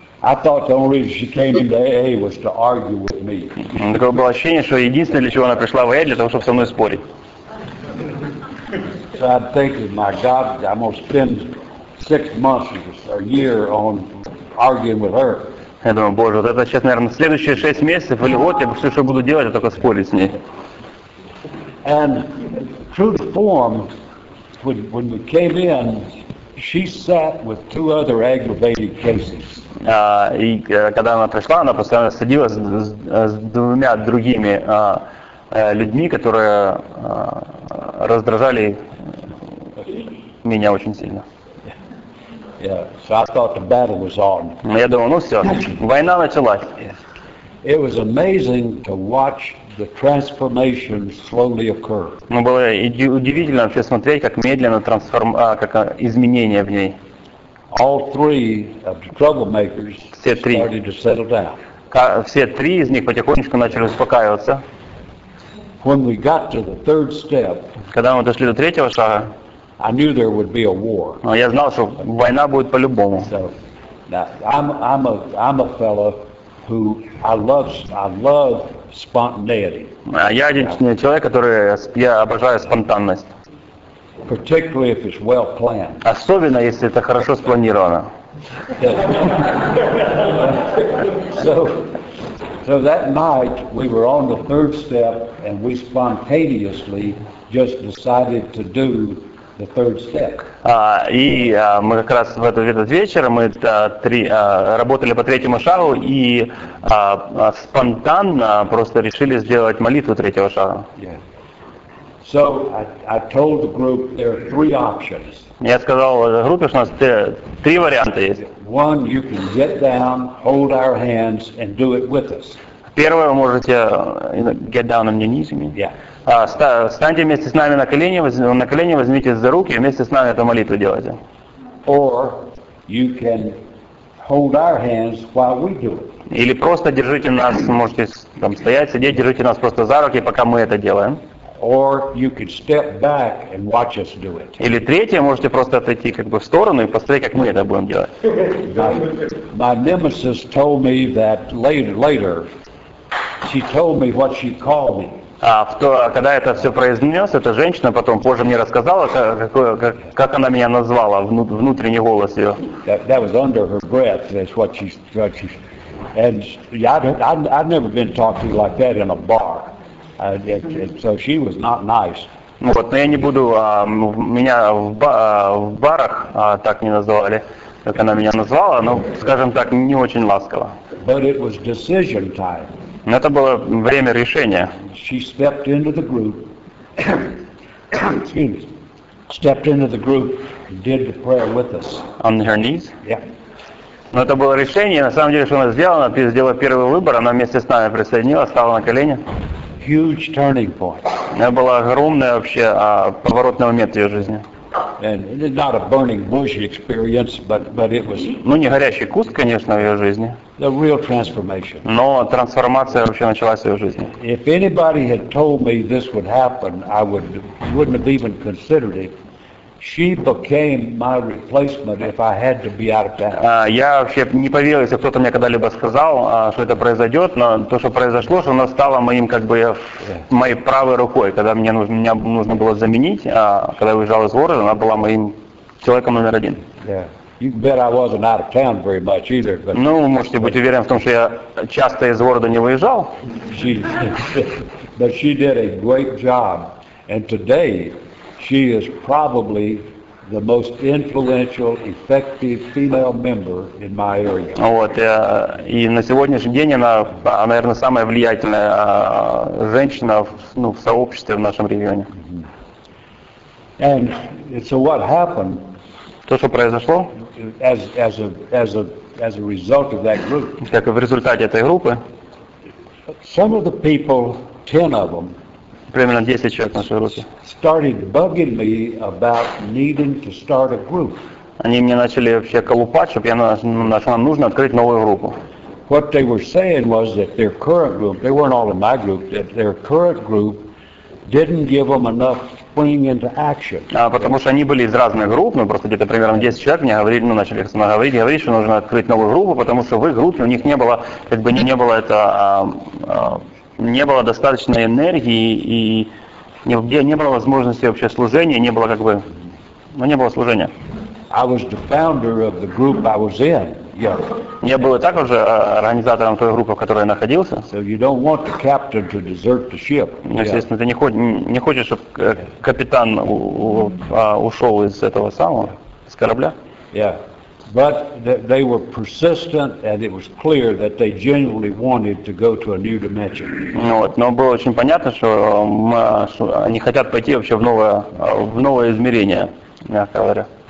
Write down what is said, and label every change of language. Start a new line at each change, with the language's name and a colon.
English: I thought the only reason she came into AA was to argue with me.
Russian: Такое было ощущение, что единственное, для чего она пришла в АА, для того, чтобы со мной спорить.
English: So I'm thinking, my God, I'm gonna spend 6 months or a year on arguing with her.
Russian: Я думаю, Боже, вот это сейчас, наверное, следующие 6 месяцев или год, я все, что буду делать, я только спорить с ней.
English: And true to form, when we came in, she sat with 2 other aggravated cases.
Russian: И когда она пришла, она постоянно сидела с 2 другими людьми, которые раздражали меня очень сильно.
English: Yeah, so I thought the battle was on.
Russian: Я думал, ну все, война началась.
English: It was amazing to watch the transformation slowly occur.
Russian: Ну было удивительно вообще смотреть, как медленно как изменения в ней.
English: All three of the troublemakers started to settle down.
Russian: Все три из них потихонечку начали успокаиваться.
English: When we got to the third step,
Russian: когда мы дошли до третьего шага,
English: I knew there would be a war.
Russian: Но я знал, что война будет по-любому.
English: So, I'm a fellow who I love spontaneity.
Russian: Я один человек, я обожаю спонтанность.
English: Particularly if it's well planned.
Russian: Особенно если это хорошо спланировано.
English: So that night we were on the third step and we spontaneously just decided to do the third step.
Russian: Мы как раз в этот вечер мы работали по третьему шагу и спонтанно просто решили сделать молитву третьего шага.
English: So I told the group there are 3 options.
Russian: Я сказал группе, что у нас 3 варианта есть.
English: One, you can get down, hold our hands and do it with us.
Russian: Первое, вы можете
English: get down on your knees.
Russian: Встаньте вместе с нами на колени, возьмите за руки и вместе с нами эту молитву делайте.
English: Or you can hold our hands while we do it.
Russian: Или просто держите нас, можете там стоять, сидеть, держите нас просто за руки, пока мы это делаем.
English: Or you can step back and watch us do it.
Russian: Или третье, можете просто отойти как бы в сторону и посмотреть, как мы это будем делать.
English: My nemesis told me that later. She told me what she called me.
Russian: Когда это все произнес, эта женщина потом позже мне рассказала, как она меня назвала, внутренний голос ее.
English: That was under her breath. That's what she said. And I've never been talked to like that in a bar. So she was not nice.
Russian: Вот, но я не буду, меня в барах так не называли, как она меня назвала, но, скажем так, не очень ласково.
English: But it was decision time.
Russian: Это было время решения.
English: She stepped into the group. Excuse me. Stepped into the group, did the prayer with us. On her knees? Yeah.
Russian: Но это было решение. На самом деле, что она сделала, она сделала первый выбор. Она вместе с нами присоединилась, стала на колени.
English: Huge turning point.
Russian: Это было огромное вообще поворотный момент в ее жизни.
English: And it is not a burning bush experience, but it was.
Russian: Ну не горящий куст, конечно, в ее жизни.
English: The real transformation.
Russian: Но трансформация вообще началась в ее жизни.
English: If anybody had told me this would happen, I wouldn't have even considered it. She became my replacement if I had to be out of town.
Russian: Я вообще не поверил, если кто-то мне когда-либо сказал, что это произойдет, но то, что произошло, что она стала моим как бы моей правой рукой, когда мне нужно было заменить, когда я уезжал из города, она была моим человеком номер один.
English: Yeah. You can bet I wasn't out of town very much either. But...
Russian: Ну, вы можете быть уверены в том, что я часто из города не выезжал.
English: But she did a great job, and today. She is probably the most influential, effective female member in my area.
Russian: Вот, и на сегодняшний день она, наверное, самая влиятельная женщина в сообществе в нашем регионе.
English: And so what happened?
Russian: То, что произошло?
English: As a result of that group.
Russian: Как в результате этой группы?
English: Some of the people, 10 of them.
Russian: Примерно 10 человек в нашей группе.
English: Started bugging me about needing to start a group.
Russian: Они мне начали вообще колупать, чтобы нам нужно открыть новую группу.
English: What they were saying was that their current group, they weren't all in my group, that their current group didn't give them enough spring into action.
Russian: А потому что они были из разных групп, мы просто где-то примерно 10 человек мне говорили, ну начали их говорить, говорить, что нужно открыть новую группу, потому что в их группе у них не было, как бы не было это, не было достаточной энергии и не было возможности вообще служения, не было как бы, ну не было служения.
English: I was the founder of the group I was in.
Russian: Я был и так уже организатором той группы, в которой я находился.
English: So you don't want the captain to desert the ship.
Russian: Естественно, ты не хочешь, чтобы капитан ушел из этого самого с корабля.
English: Yeah, but they were persistent, and it was clear that they genuinely wanted to go to a new dimension.
Russian: Вот, но было очень понятно, что они хотят пойти вообще в новое измерение, мягко говоря.